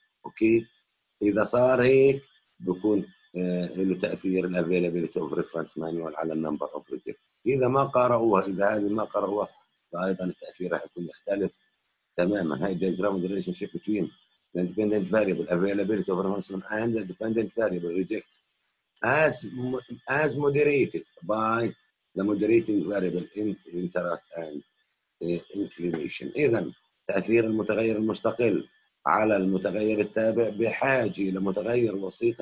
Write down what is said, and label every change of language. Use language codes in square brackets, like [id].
[ar] اوكي، اذا صار هيك بكون إنه تأثير الـ [en] availability of reference manual [ar] على [en] number of rejects. [ar] إذا ما قرأوها، إذا هذه ما قرأوها، فأيضاً التأثير راح يكون يختلف تماماً. هاي [en] diagram of the relationship between the independent variable availability of reference manual and the dependent variable rejects as moderated by the moderating variable interest and inclination. [ar] إذن تأثير المتغير المستقل على المتغير التابع بحاجة لمتغير وسيط.